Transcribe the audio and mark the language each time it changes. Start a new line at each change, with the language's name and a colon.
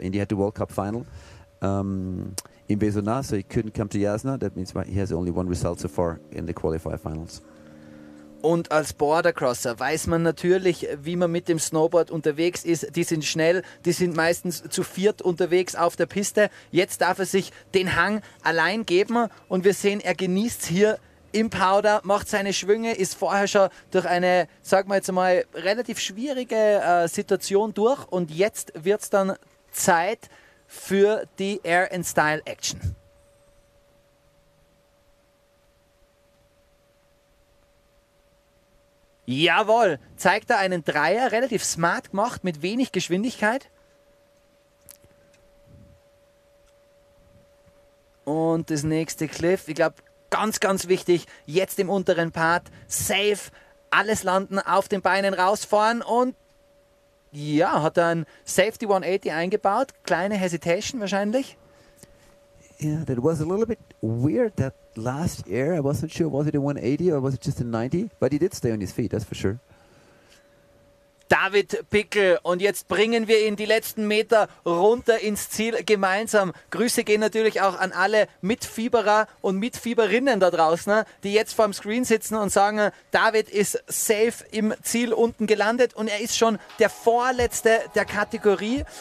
English: And he had the World Cup final in Vezona, so he couldn't come to Jasna. That means he has only one result so far in the qualifier finals.
German: Und als Bordercrosser weiß man natürlich, wie man mit dem Snowboard unterwegs ist. Die sind schnell, die sind meistens zu viert unterwegs auf der Piste. Jetzt darf er sich den Hang allein geben und wir sehen, er genießt es hier im Powder, macht seine Schwünge, ist vorher schon durch eine, sagen wir jetzt mal, relativ schwierige Situation durch und jetzt wird es dann Zeit für die Air and Style Action. Jawohl, zeigt er einen Dreier, relativ smart gemacht, mit wenig Geschwindigkeit. Und das nächste Cliff, ich glaube, ganz, ganz wichtig, jetzt im unteren Part, safe, alles landen, auf den Beinen rausfahren und ja, hat er ein Safety 180 eingebaut, kleine Hesitation wahrscheinlich.
English: Yeah, that was a little bit weird that last year. I wasn't sure, was it a 180 or was it just a 90? But he did stay on his feet, that's for sure.
German: David Pickel, und jetzt bringen wir ihn die letzten Meter runter ins Ziel gemeinsam. Grüße gehen natürlich auch an alle Mitfieberer und Mitfieberinnen da draußen, die jetzt vorm Screen sitzen und sagen, David ist safe im Ziel unten gelandet und er ist schon der Vorletzte der Kategorie.